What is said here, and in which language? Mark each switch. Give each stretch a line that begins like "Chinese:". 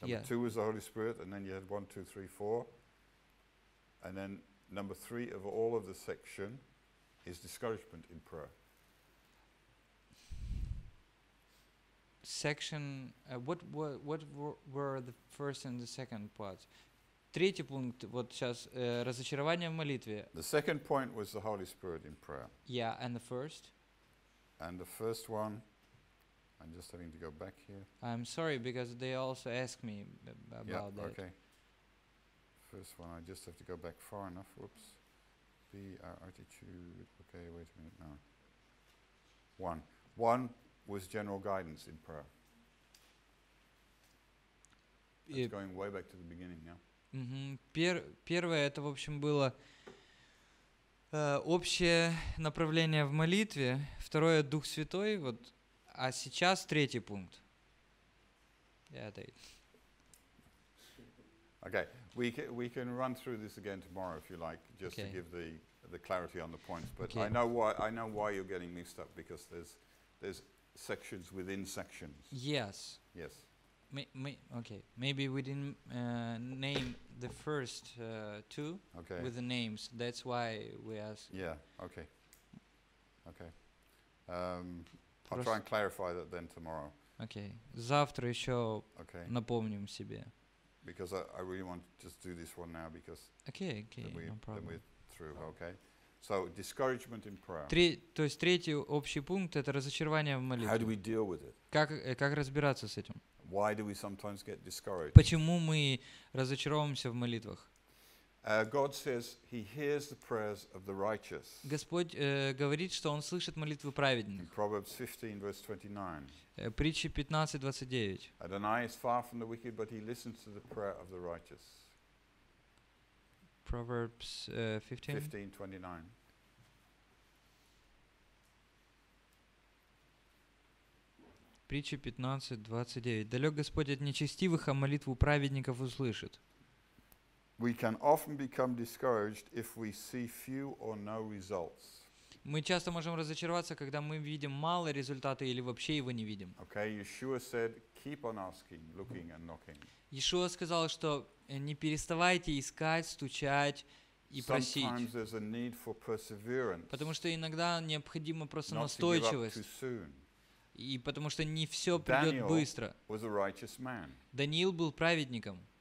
English: Number two was the Holy Spirit, and then you had 1, 2, 3, 4, and then number three of all of the section is discouragement in prayer. Section, what were the first and the second parts?
Russian: Третий пункт, вот сейчас, разочарование в молитве.
English: The second point was the Holy Spirit in prayer. Yeah, and the first? And the first one, I'm just having to go back here. I'm sorry, because they also asked me about yeah, that. Okay. First one, I just have to go back far enough, whoops. Be our attitude, okay, wait a minute now. One was general guidance in prayer. It's going way back to the beginning, yeah?
Russian: Первое это, в общем, было общее направление в молитве. Второе — Дух Святой. Вот. А сейчас третий пункт.
English: Okay, we can run through this again tomorrow, if you like, just okay. To give the clarity on the points. But okay. I know why you're getting mixed up, because there's sections within sections. Yes. Yes. Okay, maybe we didn't name the first two okay. with the names. That's why we ask. Yeah, okay. Okay. I'll try and clarify that then tomorrow.
Russian: Okay. Завтра еще okay. напомним себе.
English: Because I really want to just do this one now, because then we're through, okay? So, discouragement in prayer.
Russian: То есть третий общий пункт — это разочарование в молитве.
English: How do we deal with it?
Russian: Как разбираться с этим?
English: Why do we sometimes get discouraged?
Russian: Почему мы разочаровываемся в молитвах?
English: God says he hears the prayers of the righteous.
Russian: Господь говорит, что он слышит молитвы праведных.
English: In Proverbs 15, verse 29.
Russian: Притчи 15:29.
English: Adonai is far from the wicked, but he listens to the prayer of the righteous. Proverbs 15:29.
Russian: Притча 15:29. Далек Господь от нечестивых, а молитву праведников услышит.
English: We can often become discouraged if we see few or no results.
Russian: Мы часто можем разочароваться, когда мы видим мало результата или вообще его не видим.
English: Okay, Yeshua said, keep on asking, looking and knocking.
Russian: Yeshua сказал, что не переставайте искать, стучать.
English: Sometimes there's a need for perseverance.
Russian: Потому что иногда необходимо просто настойчивость. И потому что не все придет быстро. Даниил был праведником.